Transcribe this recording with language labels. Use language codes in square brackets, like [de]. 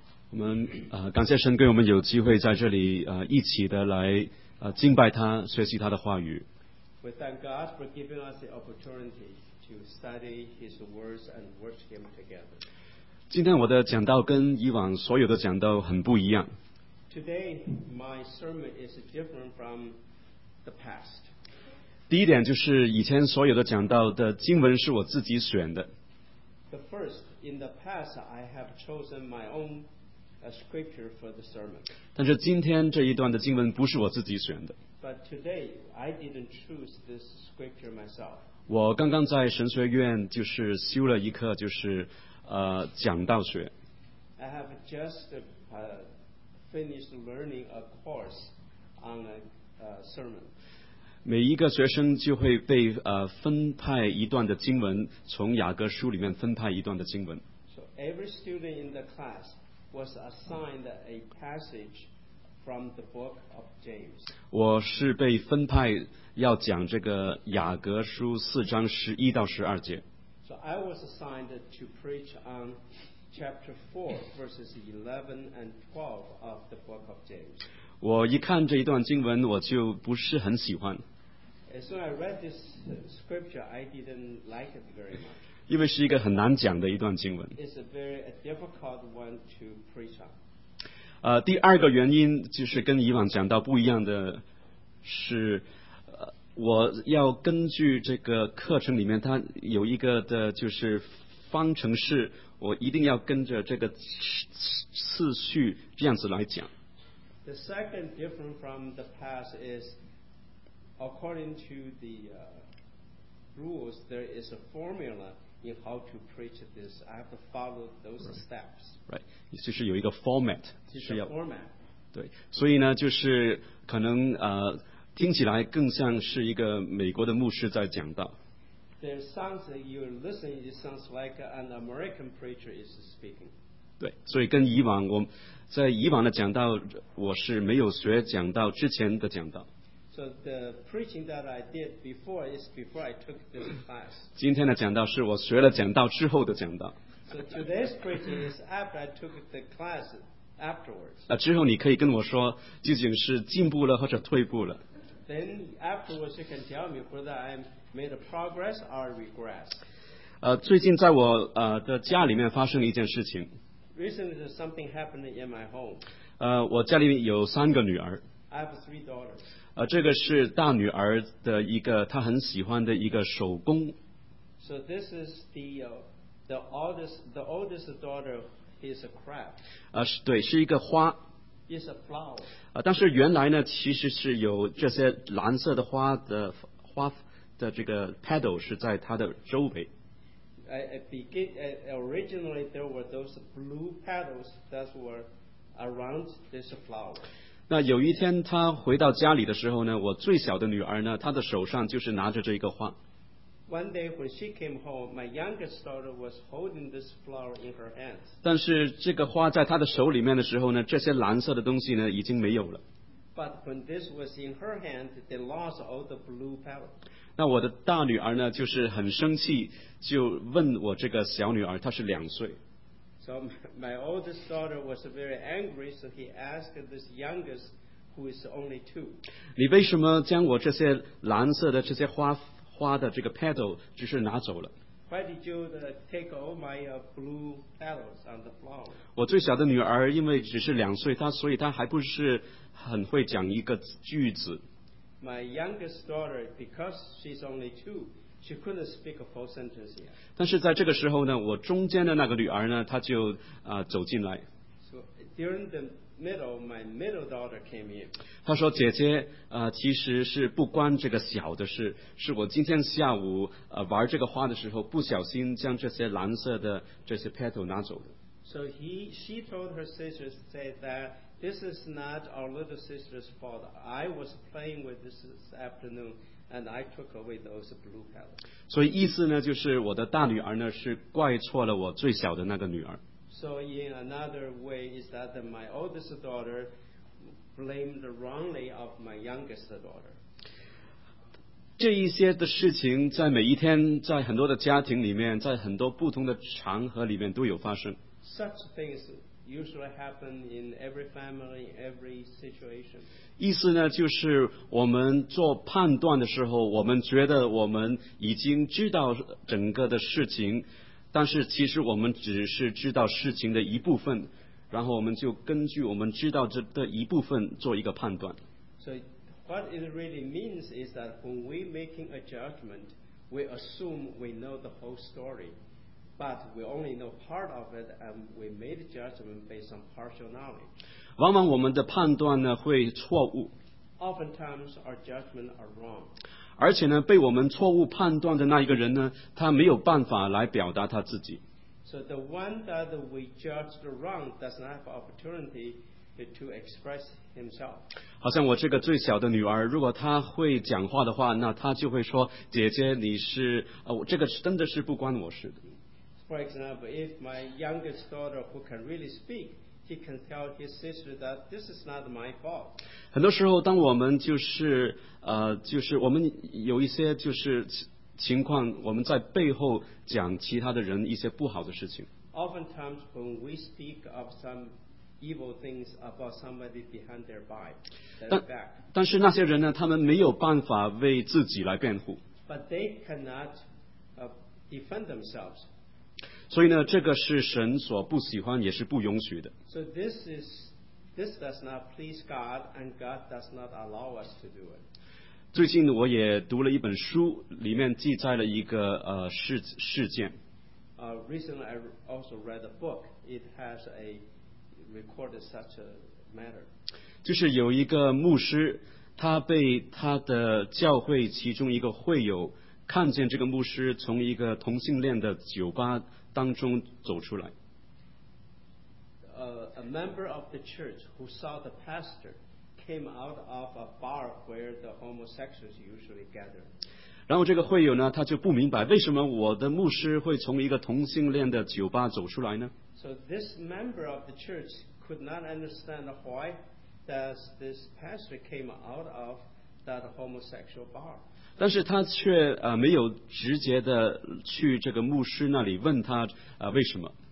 [zh] 我们感谢神给我们有机会在这里一起的来敬拜他，学习他的话语。 [en] We thank God for giving us the opportunity to study His words and worship Him together. [zh] 今天我的讲道跟以往所有的讲道很不一样。 [en] Today my sermon is different from the past. [zh] 第一点就是以前所有的讲道的经文是我自己选的。 [en] The first, in the past, I have chosen my own. A scripture for the sermon. [zh] 但是今天这一段的经文不是我自己选的。 [en] But today, I didn't choose this scripture myself. [zh] 我刚刚在神学院就是修了一课，就是讲道学。 [en] I have just finished learning a course on a sermon. [zh] 每一个学生就会被分派一段的经文，从雅各书里面分派一段的经文。 [en] So every student in the class. Was assigned a passage from the book of James. [zh] 我是被分派要讲这个雅各书四章十一到十二节。 [en] So I was assigned to preach on chapter 4, verses 11 and 12 of the book of James. [zh] 我一看这一段经文，我就不是很喜欢。 [en] As soon as I read this scripture, I didn't like it very much. [zh] 因为是一个很难讲的一段经文。 [en] It's a very difficult one to preach on. [zh] 第二个原因就是跟以往讲到不一样的是，我要根据这个课程里面它有一个的就是方程式，我一定要跟着这个次序这样子来讲。 [en] The second difference from the past is according to the rules, there is a formula. In how to preach this, I have to follow those steps. Right, [zh] 就是有一个 format, 是要 [en] format. [zh] 对，所以呢，就是可能听起来更像是一个美国的牧师在讲道。 [en] There sounds you're listening. It sounds like an American preacher is speaking. [zh] 对，所以跟以往我在以往的讲道，我是没有学讲道之前的讲道。 [en] So the preaching that I did before is before I took this class. [zh] 今天的讲道是我学了讲道之后的讲道。 [en] So today's preaching is after I took the class afterwards. [zh] 之后你可以跟我说究竟是进步了或者退步了。 [en] Then afterwards you can tell me whether I made a progress or regress. [zh] 最近在我的家里面发生了一件事情。 [en] Recently something happened in my home. [zh] 我家里面有三个女儿。 [en] I have three daughters. [zh] 这个是大女儿的一个她很喜欢的一个手工。 [en] So this is the oldest daughter is a craft. [zh] 对，是一个花。 [en] It's a flower. [zh] 但是原来呢，其实是有这些蓝色的花的花的这个 petal 是在她的周围。 [en] Originally there were those blue petals that were around this flower. [zh] 那有一天他回到家里的时候呢，我最小的女儿呢，她的手上就是拿着这一个花。 [en] One day when she came home, my youngest daughter was holding this flower in her hands. [zh] 但是这个花在她的手里面的时候呢，这些蓝色的东西呢已经没有了。 [en] But when this was in her hand, they lost all the blue petals. [zh] 那我的大女儿呢，就是很生气，就问我这个小女儿，她是两岁。 [en] So my oldest daughter was very angry, so he asked this youngest, who is only two. [zh] 你为什么将我这些蓝色的这些花的这个 petal 只是拿走了？ [en] Why did you take all my blue petals on the floor? [zh] 我最小的女儿因为只是两岁，所以她还不是很会讲一个句子。 [en] My youngest daughter, because she's only two,She couldn't speak a full sentence yet. [zh] 但是在这个时候呢，我中间的那个女儿呢，她就走进来。 [en] So during the middle, my middle daughter came in. [zh] 她说：“姐姐，其实是不关这个小的事，是我今天下午玩这个花的时候，不小心将这些蓝色的这些 petal 拿走的。” [en] So she told her sisters say that this is not our little sister's fault. I was playing with this afternoon. And I took away those blue petals. [zh] 所以意思呢，就是我的大女儿呢是怪错了我最小的那个女儿。 [en] So in another way is that my oldest daughter blamed wrongly of my youngest daughter. [zh] 这一些的事情在每一天，在很多的家庭里面，在很多不同的场合里面都有发生。 [en] Such things usually happen in every family, every situation. [zh] 意思呢，就是我们做判断的时候，我们觉得我们已经知道整个的事情，但是其实我们只是知道事情的一部分，然后我们就根据我们知道这的一部分做一个判断。 [en] So what it really means is that when we making a judgment, we assume we know the whole story. But we only know part of it, and we made judgment based on partial knowledge. [zh] 往往我们的判断呢会错误。 [en] Oftentimes our judgments are wrong. [zh] 而且呢，被我们错误判断的那一个人呢，他没有办法来表达他自己。 [en] So the one that we judged wrong does not have opportunity to express himself. [zh] 好像我这个最小的女儿，如果她会讲话的话，那她就会说：“姐姐，你是……这个真的是不关我事的。” [en] For example, if my youngest daughter who can really speak, he can tell his sister that this is not my fault. [zh] 很多时候，当我们就是我们有一些就是情况，我们在背后讲其他的人一些不好的事情。 [en] Oftentimes, when we speak of some evil things about somebody behind their back, [zh] 但是那些人呢，他们没有办法为自己来辩护。 [en] But they cannot defend themselves. [zh] 所以呢，这个是神所不喜欢，也是不允许的。 [en] So this does not please God, and God does not allow us to do it. [zh] 最近我也读了一本书，里面记载了一个事件。 [en] Recently, I also read a book. It has a recorded such a matter. [zh] 就是有一个牧师，他被他的教会其中一个会友看见，这个牧师从一个同性恋的酒吧。当中走出来。 [en] A member of the church who saw the pastor came out of a bar where the homosexuals usually gather. [zh] 然后这个会友呢，他就不明白为什么我的牧师会从一个同性恋的酒吧走出来呢？ [en] So this member of the church could not understand why does this pastor came out of that homosexual bar. [zh] 但是他却没有直接的去这个牧师那里问他为什么。